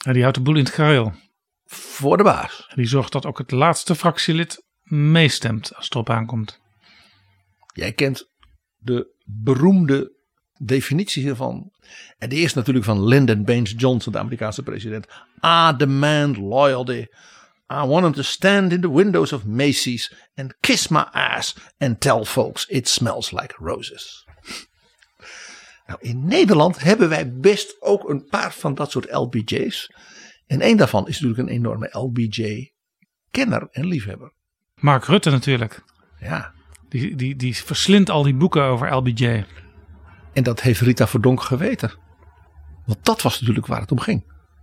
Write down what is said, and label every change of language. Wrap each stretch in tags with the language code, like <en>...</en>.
<nl>En die houdt de boel in het gareel. Voor de baas. En die zorgt dat ook het laatste fractielid meestemt als het erop aankomt. Jij kent de beroemde definitie hiervan. En die is natuurlijk van Lyndon Baines Johnson, de Amerikaanse president.</nl> <en>I demand loyalty. I want them to stand in the windows of Macy's and kiss my ass and tell folks it smells like roses.</en> <nl>Nou, in Nederland hebben wij best ook een paar van dat soort LBJ's. En één daarvan is natuurlijk een enorme LBJ-kenner en liefhebber. Mark Rutte natuurlijk. Ja. Die verslindt al die boeken over LBJ. En dat heeft Rita Verdonk geweten. Want dat was natuurlijk waar het om ging.</nl>